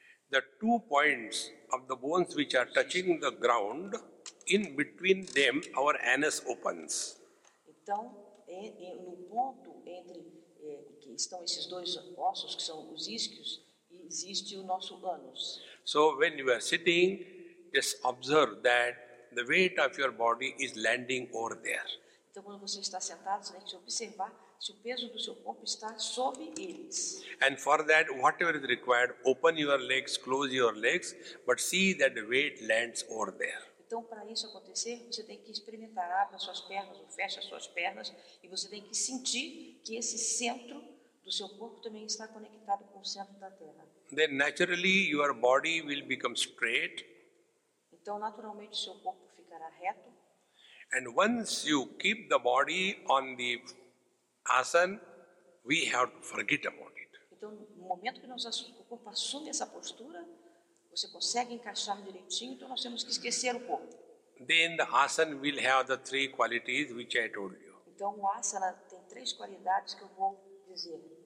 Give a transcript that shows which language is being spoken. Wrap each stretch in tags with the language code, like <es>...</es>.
<en>The two points of the bones which are touching the ground, in between them, our anus opens.</en> <pt>Então, no ponto entre que estão esses dois ossos, que são os isquios, existe o nosso ânus.</pt> <en>So, when you are sitting, just observe that the weight of your body is landing over there.</en> <pt>Então, quando você está sentado, você tem que observar se o peso do seu corpo está sobre eles.</pt> <en>And for that, whatever is required, open your legs, close your legs, but see that the weight lands over there.</en> <pt>Então, para isso acontecer, você tem que experimentar, abre as suas pernas ou fecha as suas pernas e você tem que sentir que esse centro do seu corpo também está conectado com o centro da Terra.</pt> <en>Then, naturally, your body will become straight.</en> <pt>Então, naturalmente, seu corpo ficará reto.</pt> <en>And once you keep the body on the asana, we have to forget about it.</en> <pt>Então, no momento que o corpo assume essa postura, você consegue encaixar direitinho, então nós temos que esquecer o corpo.</pt> <en>Then the asana will have the three qualities which I told you.</en> <pt>Então o asana tem três qualidades que eu vou dizer.</pt>